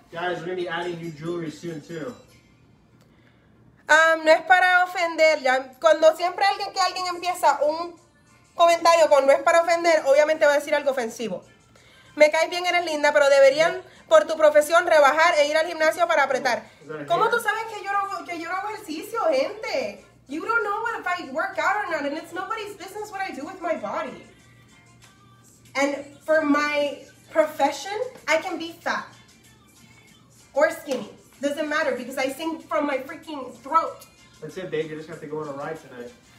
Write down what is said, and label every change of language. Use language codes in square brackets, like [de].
[en] Guys, we're going to be adding new jewelry soon, too. [es] No es para ofender. Ya, cuando siempre alguien empieza un comentario con no es para ofender, obviamente va a decir algo ofensivo. Me caes bien, eres linda, pero deberían, por tu profesión, rebajar e ir al gimnasio para apretar. ¿Cómo tú sabes que yo no hago ejercicio, gente? [en] You don't know if I work out or not, and it's nobody's business what I do with my body. And for my profession, I can be fat or skinny. Doesn't matter because I sing from my freaking throat. That's it, babe. You're just gonna have to go on a ride tonight.